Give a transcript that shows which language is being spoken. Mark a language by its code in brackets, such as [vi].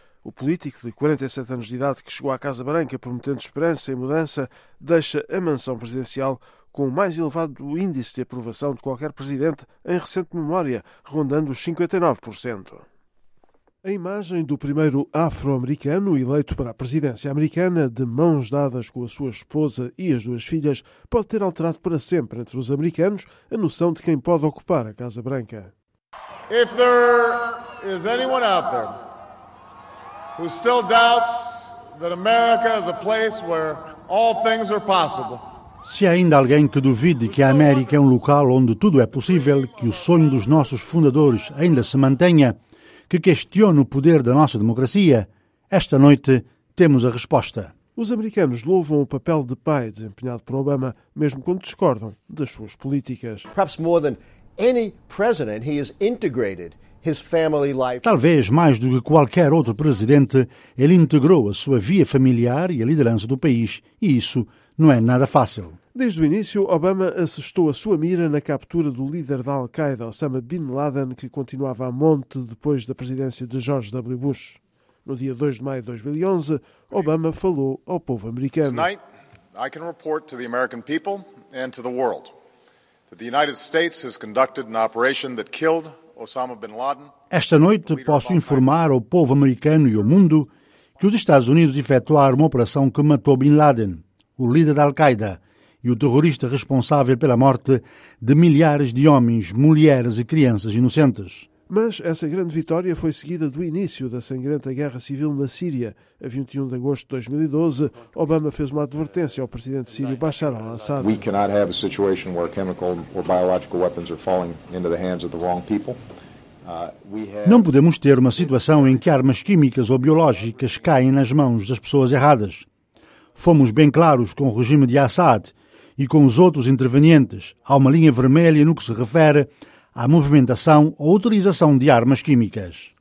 [pt] O político de 47 anos de idade, que chegou à Casa Branca prometendo esperança e mudança, deixa a mansão presidencial com o mais elevado índice de aprovação de qualquer presidente em recente memória, rondando os 59%. A imagem do primeiro afro-americano eleito para a presidência americana, de mãos dadas com a sua esposa e as duas filhas, pode ter alterado para sempre entre os americanos a noção de quem pode ocupar a Casa Branca. [en] If there is anyone out there who still doubts that America is a place where all things are possible. [pt] Se há ainda alguém que duvide que a América é um local onde tudo é possível, que o sonho dos nossos fundadores ainda se mantenha, que questiona o poder da nossa democracia, esta noite temos a resposta. Os americanos louvam o papel de pai desempenhado por Obama, mesmo quando discordam das suas políticas. [en] Perhaps more than any president, he has integrated his family life. [pt] Talvez mais do que qualquer outro presidente, ele integrou a sua via familiar e a liderança do país, e isso não é nada fácil. Desde o início, Obama assestou a sua mira na captura do líder da Al-Qaeda, Osama Bin Laden, que continuava a monte depois da presidência de George W. Bush. No dia 2 de maio de 2011, Obama falou ao povo americano. [en] Tonight, I can report to the American people and to the world that the United States has conducted an operation that killed Osama Bin Laden. [pt] Esta noite posso informar ao povo americano e ao mundo que os Estados Unidos efetuaram uma operação que matou Bin Laden, o líder da Al-Qaeda, e o terrorista responsável pela morte de milhares de homens, mulheres e crianças inocentes. Mas essa grande vitória foi seguida do início da sangrenta guerra civil na Síria. A 21 de agosto de 2012, Obama fez uma advertência ao presidente sírio Bashar al-Assad. [en] We cannot have a situation where chemical or biological weapons are falling into the hands of the wrong people. [pt] Não podemos ter uma situação em que armas químicas ou biológicas caem nas mãos das pessoas erradas. Fomos bem claros com o regime de Assad e com os outros intervenientes. Há uma linha vermelha no que se refere à movimentação ou utilização de armas químicas.